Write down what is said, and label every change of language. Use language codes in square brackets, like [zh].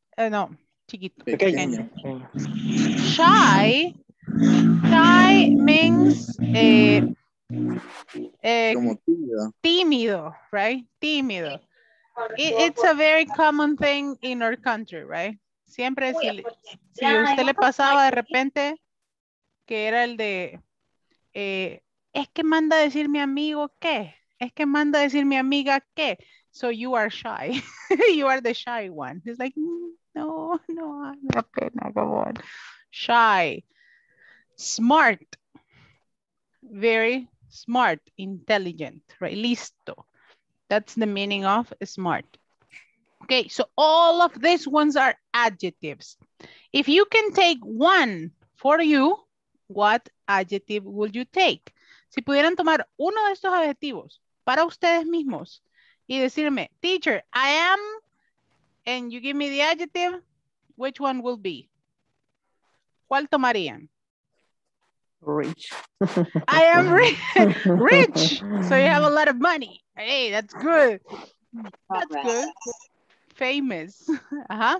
[es] No. Chiquito, pequeño. [en] Shy. Shy means [es] como tímido. Tímido, right? Tímido. [en] It's a very common thing in our country, right? [es] Siempre si usted le pasaba de repente que era el de es que manda a decir mi amigo qué. Es que manda a decir mi amiga qué. [en] So you are shy. You are the shy one. It's like... No, I'm not gonna go on. Shy, smart, very smart, intelligent, right? Listo. That's the meaning of smart. Okay, so all of these ones are adjectives. If you can take one for you, what adjective would you take? [es] Si pudieran tomar uno de estos adjetivos para ustedes mismos y decirme, [en] teacher, I am... And you give me the adjective, which one will be? [es] ¿Cuál tomarían? [en] Rich. I am rich. Rich. So you have a lot of money. Hey, that's good. That's good. Famous. Uh-huh.